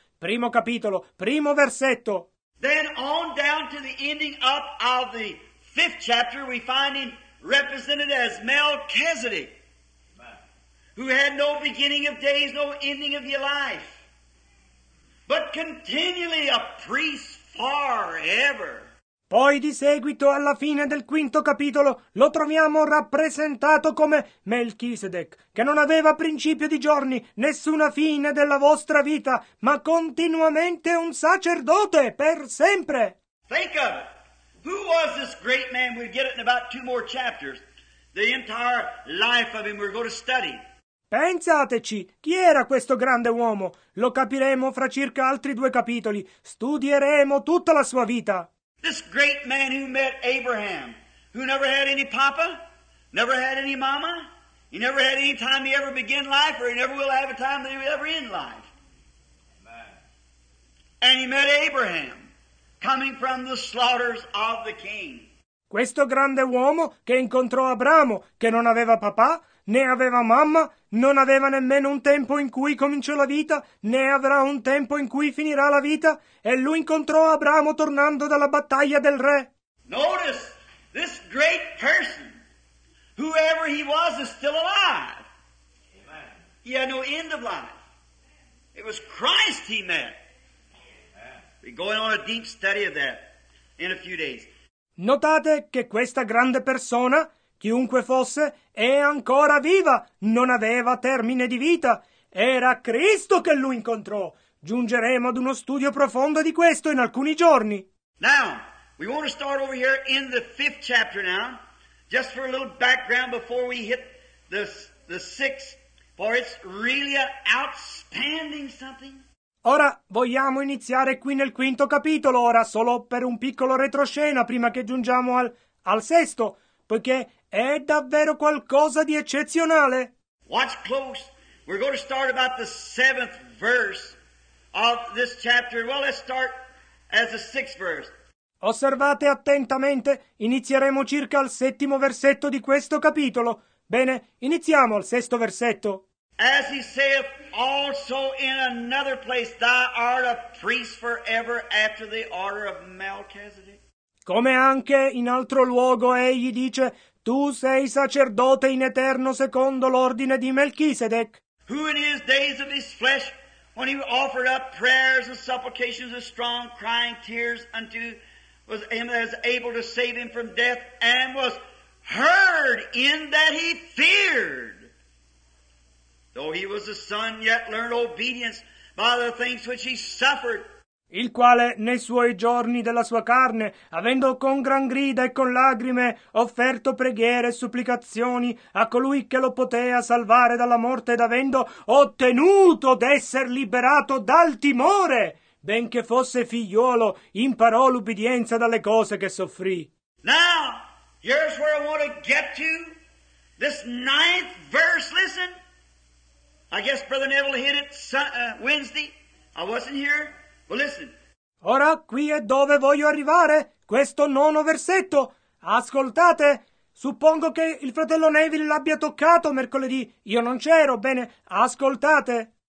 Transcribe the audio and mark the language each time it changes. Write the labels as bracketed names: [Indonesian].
[Italian] Primo capitolo, primo versetto. [English] Then on down to the ending up of the fifth chapter we find in represented as Melchizedek, who had no beginning of days, no ending of your life, but continually a priest forever. [Italian] Poi di seguito, alla fine del quinto capitolo, lo troviamo rappresentato come Melchizedek, che non aveva principio di giorni, nessuna fine della vostra vita, ma continuamente un sacerdote per sempre. [English] Think of it. Who was this great man? We'll get it in about two more chapters. The entire life of him we're going to study. [Italian] Pensateci, chi era questo grande uomo? Lo capiremo fra circa altri due capitoli. Studieremo tutta la sua vita. [English] This great man who met Abraham, who never had any papa, never had any mama, he never had any time to ever begin life, or he never will have a time to ever end life. Amen. And he met Abraham, coming from the slaughters of the king. [Italian] Questo grande uomo che incontrò Abramo, che non aveva papà, né aveva mamma, non aveva nemmeno un tempo in cui cominciò la vita, né avrà un tempo in cui finirà la vita, e lui incontrò Abramo tornando dalla battaglia del re. [English] Notice, this great person, whoever he was, is still alive. Amen. He had no end of life. It was Christ he met. Amen. We're going on a deep study of that in a few days. [Italian] Notate che questa grande persona, chiunque fosse, è ancora viva, non aveva termine di vita. Era Cristo che lui incontrò. Giungeremo ad uno studio profondo di questo in alcuni giorni. [English] Now, we want to start over here in the fifth chapter now, just for a little background before we hit the sixth, for it's really an outstanding something. [Italian] Ora vogliamo iniziare qui nel quinto capitolo, ora solo per un piccolo retroscena prima che giungiamo al sesto, poiché è davvero qualcosa di eccezionale. [English] Watch close. We're going to start about the seventh verse of this chapter. Well, let's start as the sixth verse. [Italian] Osservate attentamente. Inizieremo circa al settimo versetto di questo capitolo. Bene, iniziamo al sesto versetto. [English] As he saith also in another place, thou art a priest forever after the order of Melchizedek. [Italian] Come anche in altro luogo egli dice, tu sei sacerdote in eterno secondo l'ordine di Melchisedec. [English] Who in his days of his flesh, when he offered up prayers and supplications with strong crying tears unto, was him as able to save him from death, and was heard in that he feared. Though he was a son, yet learned obedience by the things which he suffered. [Italian] Il quale nei suoi giorni della sua carne, avendo con gran grida e con lagrime offerto preghiere e supplicazioni a colui che lo poteva salvare dalla morte ed avendo ottenuto d'esser liberato dal timore, benché fosse figliuolo, imparò l'ubbidienza dalle cose che soffrì. [English] Now, here's where I want to get to. This ninth verse, listen. I guess Brother Neville hit it Wednesday. I wasn't here. Well, listen. [Italian] Ora qui è dove voglio arrivare, questo nono versetto. Ascoltate, suppongo che il fratello Neville l'abbia toccato mercoledì. Io non c'ero, bene, ascoltate.